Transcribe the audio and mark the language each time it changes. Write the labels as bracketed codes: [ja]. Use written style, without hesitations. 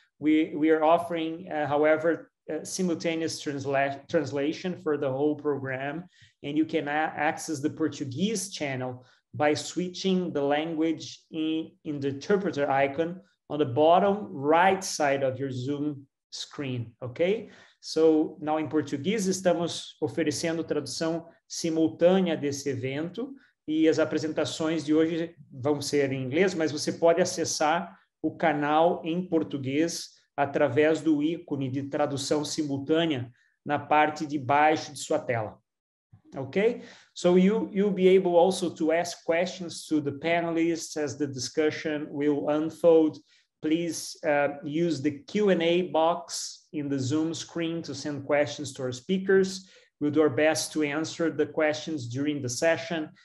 [en] We are offering, however, simultaneous translation for the whole program, and you can access the Portuguese channel by switching the language in the interpreter icon on the bottom right side of your Zoom screen, okay? So now in Portuguese, [pt] estamos oferecendo tradução simultânea desse evento, e as apresentações de hoje vão ser em inglês, mas você pode acessar o canal em português através do ícone de tradução simultânea na parte de baixo de sua tela. [en] Okay? So you'll be able also to ask questions to the panelists as the discussion will unfold. Please use the Q&A box in the Zoom screen to send questions to our speakers. We'll do our best to answer the questions during the session.